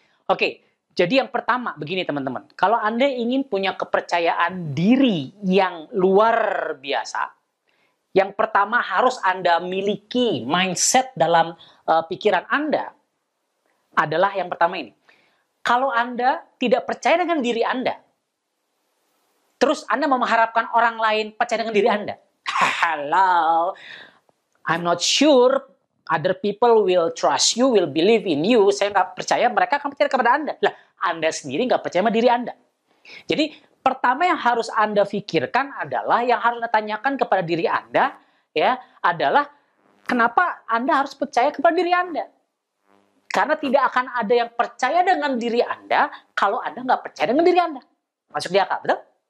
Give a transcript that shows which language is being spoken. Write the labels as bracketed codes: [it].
[id] Oke, jadi yang pertama begini teman-teman, kalau Anda ingin punya kepercayaan diri yang luar biasa, yang pertama harus Anda miliki mindset dalam pikiran Anda adalah yang pertama ini. Kalau Anda tidak percaya dengan diri Anda, terus Anda mau mengharapkan orang lain percaya dengan diri Anda. [en] Hello, I'm not sure other people will trust you, will believe in you. [id] Saya nggak percaya mereka akan percaya kepada Anda. Lah, Anda sendiri nggak percaya sama diri Anda. Jadi, pertama yang harus Anda pikirkan adalah, yang harus Anda tanyakan kepada diri Anda, ya, adalah kenapa Anda harus percaya kepada diri Anda? Karena tidak akan ada yang percaya dengan diri Anda kalau Anda nggak percaya dengan diri Anda. Masuk di akal, betul?